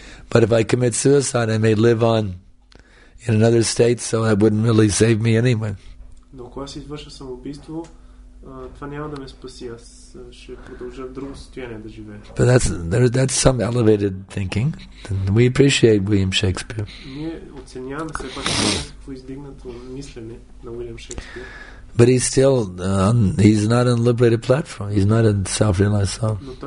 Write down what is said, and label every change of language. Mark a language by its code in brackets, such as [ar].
[en] But if I commit suicide, I may live on in another state, so that wouldn't really save me anyway. [bg] Но ако аз извърша самоубийство, това няма да ме спаси. Аз ще продължа в друго състояние да живея. [en] But that's some elevated thinking. We appreciate William Shakespeare. [bg] Ние оценяваме все пак някакво издигнато мислене на Уилям Шекспир. [en] But he's still he's not on a liberated platform. He's not a self-realized soul.